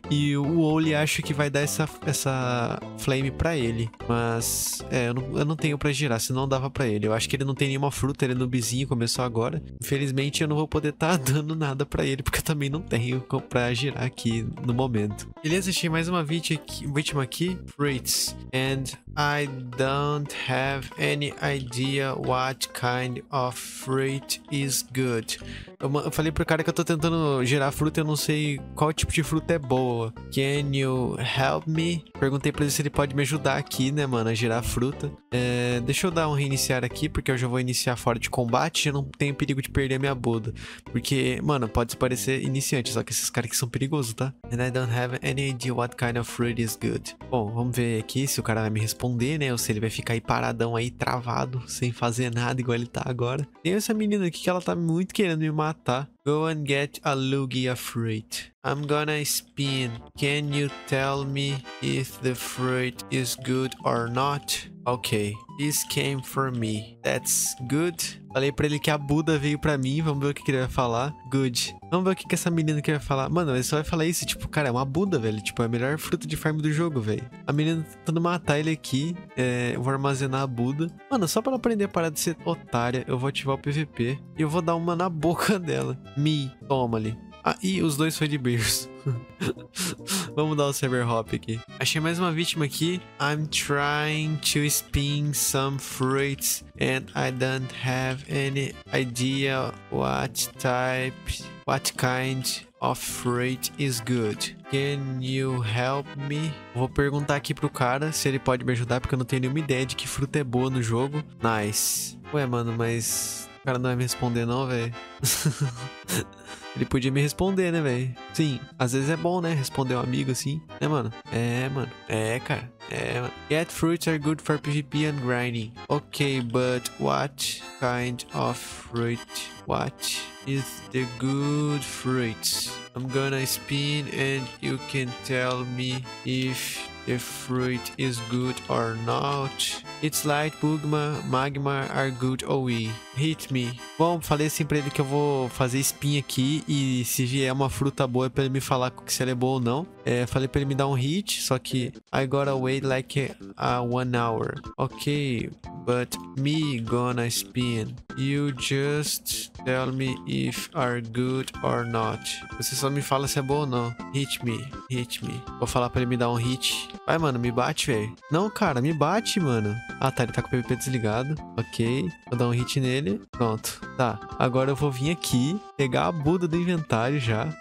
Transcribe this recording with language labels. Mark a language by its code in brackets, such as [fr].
[pt] E o Oli acha que vai dar essa flame pra ele. Mas, eu não tenho pra girar, senão dava pra ele. Eu acho que ele não tem nenhuma fruta, ele é noobzinho, começou agora. Infelizmente, eu não vou poder tá dando nada pra ele, porque eu também não tenho pra girar aqui no momento. Beleza, achei mais uma vítima aqui. Fruits. [en] And I don't have any idea what kind of fruit is good. [pt] Eu falei pro cara que eu tô tentando gerar fruta e eu não sei qual tipo de fruta é boa. [en] Can you help me? [pt] Perguntei pra ele se ele pode me ajudar aqui, né, mano, a gerar fruta. Deixa eu dar um reiniciar aqui, porque eu já vou iniciar fora de combate e eu não tenho perigo de perder a minha Buda. Porque, mano, pode parecer iniciante, só que esses caras aqui são perigosos, tá? [en] And I don't have any idea what kind of fruit is good. [pt] Bom, vamos ver aqui se o cara vai me responder, né, ou se ele vai ficar aí paradão aí, travado, sem fazer nada, igual ele tá agora. Tem essa menina aqui que ela tá muito querendo me matar. [en] Go and get a Lugia fruit. I'm gonna spin. Can you tell me if the fruit is good or not? Okay. This came for me. That's good. [pt] Falei pra ele que a Buda veio pra mim. Vamos ver o que ele vai falar. [en] Good. [pt] Vamos ver o que essa menina quer falar. Mano, ele só vai falar isso. Tipo, cara, é uma Buda, velho. Tipo, é a melhor fruta de farm do jogo, velho. A menina tentando matar ele aqui. Eu vou armazenar a Buda. Mano, só pra ela aprender a parar de ser otária, eu vou ativar o PVP. E eu vou dar uma na boca dela. Me. Toma ali. Ah, e os dois foi de beijos. Vamos dar o server hop aqui. Achei mais uma vítima aqui. [en] I'm trying to spin some fruits and I don't have any idea what type, what kind of fruit is good. Can you help me? [pt] Vou perguntar aqui pro cara se ele pode me ajudar, porque eu não tenho nenhuma ideia de que fruta é boa no jogo. Nice. Ué, mano, mas o cara não vai me responder não, velho. Ele podia me responder, né, velho? Sim, às vezes é bom, né, responder um amigo assim. Né, mano? É, mano. É, cara. É, mano. [en] Get fruits are good for PvP and grinding. Ok, but what kind of fruit? What is the good fruit? I'm gonna spin and you can tell me if the fruit is good or not. It's light, bugma, magma are good OE. Hit me. [pt] Bom, falei assim pra ele que eu vou fazer spin aqui e se vier uma fruta boa é pra ele me falar se ela é boa ou não. É, falei pra ele me dar um hit, só que [en] I gotta wait like a 1 hour. Ok, but me gonna spin. You just tell me if are good or not. [pt] Você só me fala se é boa ou não. [en] Hit me, hit me. [pt] Vou falar pra ele me dar um hit. Vai, mano, me bate, velho. Não, cara, me bate, mano. Ah, tá, ele tá com o PVP desligado. Ok, vou dar um hit nele. Pronto. Tá, agora eu vou vir aqui pegar a Buda do inventário já.